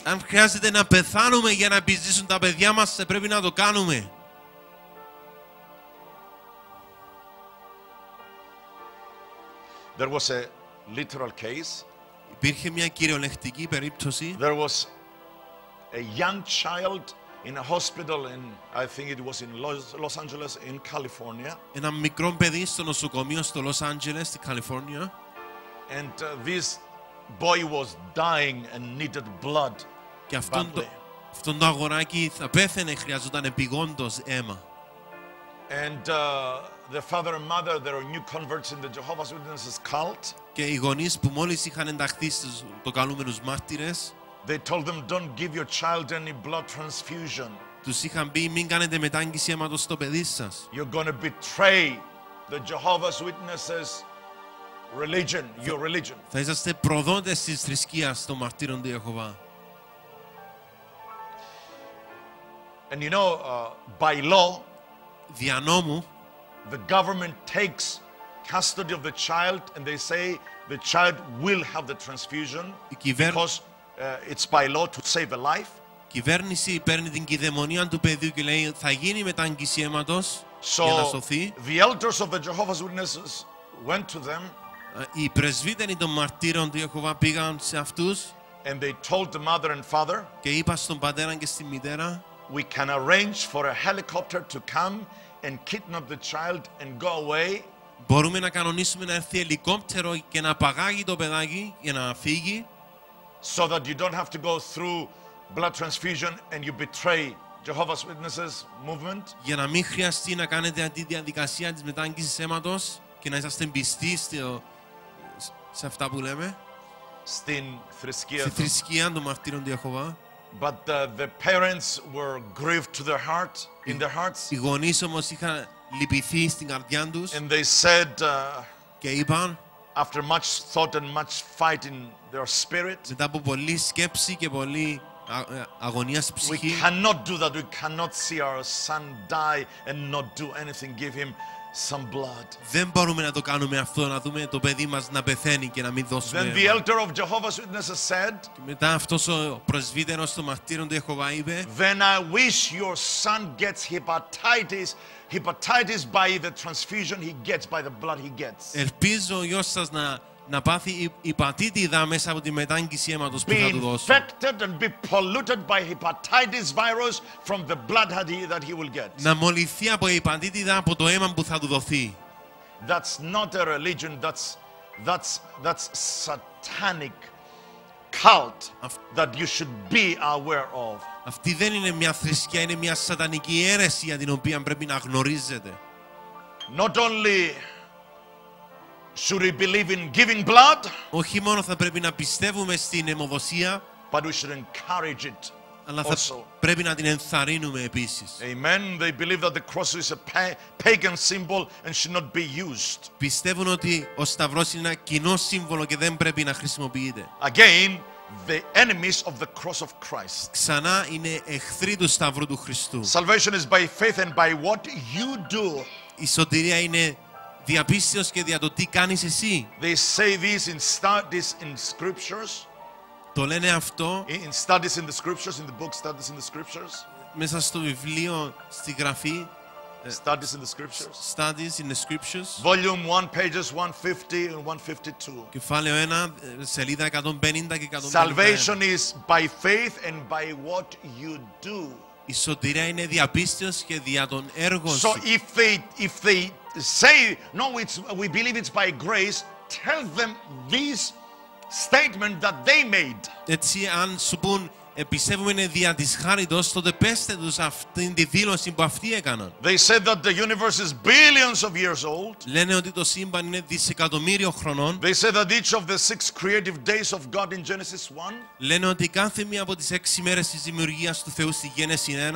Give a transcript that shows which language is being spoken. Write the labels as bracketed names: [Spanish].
[Greek] Αν χρειάζεται να πεθάνουμε για να επιζήσουν τα παιδιά μας, πρέπει να το κάνουμε. [English] There was a literal case. [Greek] Υπήρχε μια κυριολεκτική περίπτωση. [English] There was a young child in a hospital in, I think it was in Los Angeles in California. [Greek] Ένα μικρό παιδί στο νοσοκομείο στο Los Angeles, στη California. [English] And this boy was dying and needed blood. [Greek] Και αυτόν το αγοράκι θα πέθαινε, χρειαζόταν επιγόντως αίμα. [English] And the father and mother, they are new converts in the Jehovah's Witnesses cult. [Greek] Και οι γονείς που μόλις είχαν ενταχθεί στους το καλούμενους μάρτυρες. [English] They told them, "Don't give your child any blood transfusion." [Greek] Τους είχαν πει, μην κάνετε μετάγγιση αίματος στο παιδί σας. [English] You're going to betray the Jehovah's Witnesses religion, your religion. [Greek] Θα είσαστε προδότες της θρησκείας των μαρτύρων του Ιεχωβά. [English] And you know, by law, [Greek] δια νόμου, [English] the government takes custody of the child and they say the child will have the transfusion because it's by law to save a life. [Greek] Η κυβέρνηση παίρνει την κηδεμονία του παιδιού και λέει θα γίνει μετάγγιση αίματος για να σωθεί. [English] The elders of the Jehovah's Witnesses went to them. [Greek] Οι πρεσβύτεροι των μαρτύρων του Ιεχωβά πήγαν σε αυτούς. [English] And they told the mother and father. [Greek] Και είπαν στον πατέρα και στη μητέρα. [English] We can arrange for a helicopter to come and kidnap the child and go away. [Greek] Μπορούμε να κανονίσουμε να έρθει ελικόπτερο και να παγάγει το παιδάκι για να φύγει. [English] So that you don't have to go through blood transfusion and you betray Jehovah's Witnesses movement. [Greek] Για να μην χρειαστεί να κάνετε αυτή τη διαδικασία της μετάγγισης αίματος και να είσαστε πιστοί σε αυτά που λέμε. Στην θρησκεία. Στη θρησκεία των μαρτύρων του Ιεχωβά. [English] But the parents were grieved to their heart, in their hearts. [Greek] Οι γονείς όμως είχαν λυπηθεί στην καρδιά τους. [English] And they said. [Greek] Και είπαν. [English] After much thought and much fight in their spirit, [Greek] μετά από πολλή σκέψη και πολλή αγωνία στη ψυχή, [English] we cannot do that. We cannot see our son die and not do anything. Give him some blood. [Greek] Δεν μπορούμε να το κάνουμε αυτό, να δούμε το παιδί μας να πεθαίνει και να μην δώσουμε. [English] Then the elder of Jehovah's Witnesses said. [Greek] Μετά αυτός ο πρεσβύτερος των μαρτύρων του Ιεχωβά είπε. [English] Then I wish your son gets hepatitis. Hepatitis by the transfusion he gets, by the blood he gets. [Greek] Ελπίζω ο γιος σας να πάθει υπατήτηδα μέσα από τη μετάγγιση αίματος που θα του δώσω. [English] Be infected and be polluted by hepatitis virus from the blood that he will get. [Greek] Να μολυθεί από υπατήτηδα από το αίμα που θα του δοθεί. [English] That's not a religion, that's satanic cult that you should be aware of. [Greek] Αυτή δεν είναι μια θρησκεία, είναι μια σατανική αίρεση για την οποία πρέπει να γνωρίζετε. [English] Not only should we believe in giving blood, [Greek] όχι μόνο θα πρέπει να πιστεύουμε στην αιμοδοσία, [English] but we should encourage it [Greek] αλλά θα [English] also. [Greek] Πρέπει να την ενθαρρύνουμε επίσης. [English] Amen. They believe that the cross is a pagan symbol and should not be used. [Greek] Πιστεύουν ότι ο σταυρός είναι ένα κοινό σύμβολο και δεν πρέπει να χρησιμοποιείται. [English] Again, the enemies of the cross of Christ. [Greek] Ξανά είναι εχθροί του σταυρού του Χριστού. [English] Salvation is by faith and by what you do. [Greek] Η σωτηρία είναι δια πίστεως και δια το τι κάνεις εσύ. [English] They say this in studies in scriptures. [Greek] Το λένε αυτό. [English] In studies in the scriptures, in the book studies in the scriptures. [Greek] Μέσα στο βιβλίο, στη γραφή. [English] Studies in the scriptures. Studies in the scriptures. Volume 1, pages 150 and 152. [Greek] Κεφάλαιο 1, σελίδα 150 και 151. [English] Salvation is by faith and by what you do. [Greek] Η σωτηρία είναι δια πίστεως και δια των έργων σου. [English] So if they say no, it's we believe it's by grace. Tell them this statement that they made. [Greek] Έτσι, αν σου πούν πιστεύουμε είναι δια της χάριτος, τότε πέστε τους αυτήν τη δήλωση που αυτοί έκαναν. [English] They said that the universe is billions of years old. [Greek] Λένε ότι το σύμπαν είναι δισεκατομμύριο χρονών. [English] They said that each of the six creative days of God in Genesis 1. [Greek] Λένε ότι κάθε μία από τις έξι μέρες της δημιουργίας του Θεού στη Γένεση 1